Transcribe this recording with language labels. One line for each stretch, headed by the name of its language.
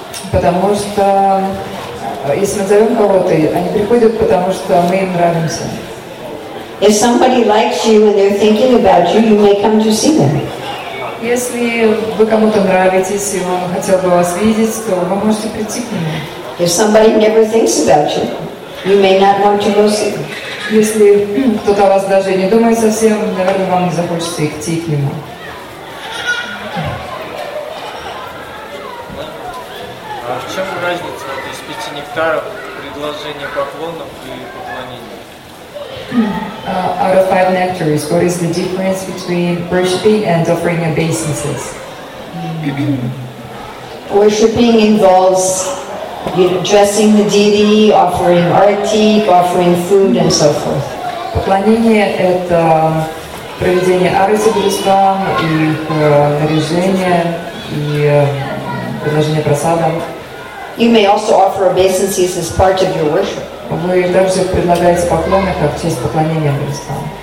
Russian: Потому что если мы зовем кого-то, они приходят, потому что мы им нравимся.
English: If somebody likes you and they're thinking about you, you may come to see them.
Russian: Если вы кому-то нравитесь и он хотел бы вас видеть, то вы можете прийти к нему.
English: If somebody never thinks about you, you may not want to go see them.
Russian: если кто-то о вас даже не думает совсем, наверное, вам не захочется идти к нему. А в чем разница из пяти нектаров предложения поклонов и поклонения?
English: Out of five nectars, what is the difference between worshiping and offering obeisances? Worshiping involves addressing the deity, offering arti, offering food, and so forth.
Russian: Поклонение – это проведение арти Божества, их наряжение и предложение просада.
English: You may also offer obeisances as part of your worship.
Russian: Вы также предлагаете поклоны как часть поклонения Божества.